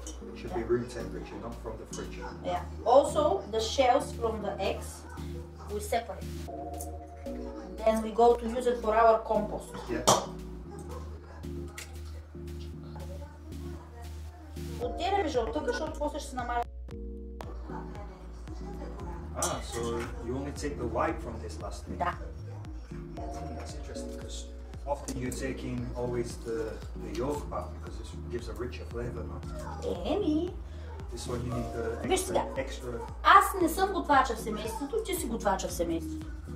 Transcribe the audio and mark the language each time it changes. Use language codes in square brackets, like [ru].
[en] It should be room temperature, not from the fridge. Yeah. Also, the shells from the eggs we separate. And then we go to use it for our compost. Yeah. [bg] Отделяме жълтъка, защото после ще се намаля. [en] Ah, so you only take the white from this last thing? [bg] Да. [en] That's interesting, because often you're taking always the yolk part, because it gives a richer flavor, no? [bg] Еми! [en] This one you need the extra... [bg] Виж сега, [en] extra... [bg] аз не съм готвача в семейството, ти си готвача в семейството.